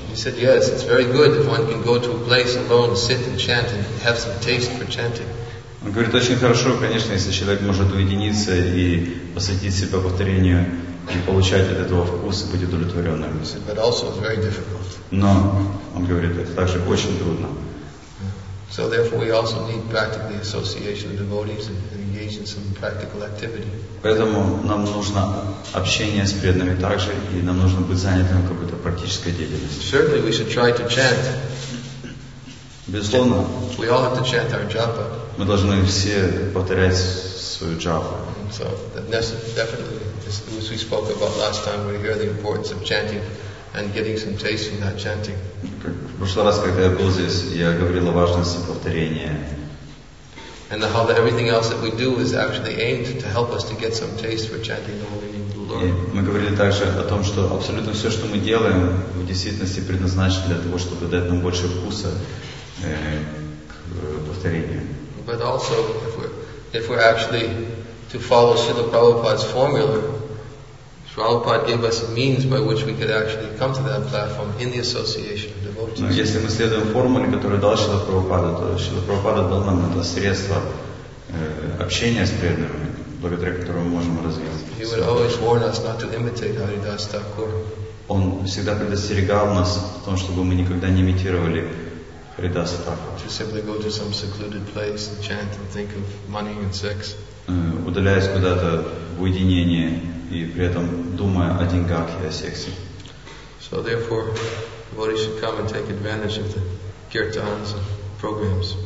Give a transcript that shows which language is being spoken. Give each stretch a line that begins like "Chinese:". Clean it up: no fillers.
English: He said, yes, it's very good if one can go to a place alone, sit and chant and have some taste for chanting.
Russian: Он говорит, очень хорошо, конечно, если человек может уединиться и посвятить себя повторению и получать от этого вкус и быть удовлетворенным.
English: But also very difficult.
Russian: Но, он говорит, это также очень трудно.
English: So therefore we also need practically association of devotees and engage in some practical activity.
Russian: Поэтому нам нужно общение с преданными также, и нам нужно быть занятым какой-то практической деятельностью.
English: Certainly we should try to chant.
Russian: Безусловно.
English: We all have to chant our japa.
Russian: Мы должны все повторять свою джапу.
English: So that definitely, as we spoke about last time, we hear the importance of chanting and getting some taste from that chanting.
Russian: В прошлый раз, когда я был здесь, я говорил о важности повторения.
English: And how that everything else that we do is actually aimed to help us to get some taste for chanting the holy name of the Lord.
Russian: И мы говорили также о том, что абсолютно все, что мы делаем, в действительности предназначено для того, чтобы дать нам больше вкуса к повторению.
English: But also, if we're actually to follow Srila Prabhupada's formula, Prabhupada gave us a means by which we could actually come to that platform in the association of devotees.
Russian: Но если мы следуем формуле, которую дал Шрила Прабхупада, то Шрила Прабхупада дал нам это средство общения с преданными, благодаря которому мы можем развиваться.
English: He would always warn us not to imitate Haridas Thakur.
Russian: Он всегда предостерегал нас в том, чтобы мы никогда не имитировали.
English: To simply go to some secluded place and chant and think of money and sex.
Russian: Удаляясь куда-то в уединение и при этом думая о деньгах и о сексе.
English: So therefore, devotees should come and take advantage of the kirtans and programs.